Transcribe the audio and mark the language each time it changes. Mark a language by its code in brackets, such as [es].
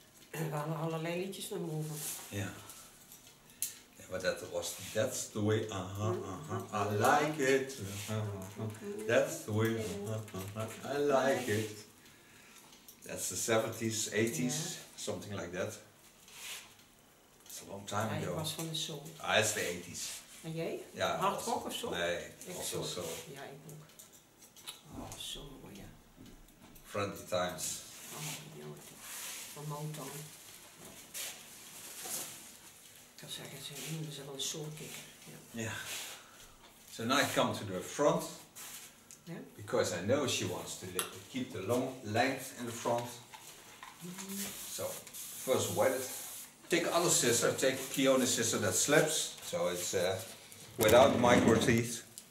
[nl] En we hadden allerlei liedjes naar boven. Ja. [en] Yeah, but that was, that's the way, I like it. That's the way, I like it. That's the 70s, 80s, yeah. Something like that. It's a long time ago. [nl] Ja, ik was van de soul. [en] Ah, it's the 80s. [nl] En jij? Ja. Hard rock of zo? [en] Nee, also soul. [nl] Ja, ik ook. Oh, zo mooi, ja. [en] Friendly times. [nl] Oh, van Motown. Ik kan zeggen, ze noemen ze wel een soul kicker. [en] Ja. So now I come to the front. Yeah. Because I know she wants to keep the long length in the front. So first wet it. Take other scissor, take Kiona's scissor that slips. So it's without micro teeth.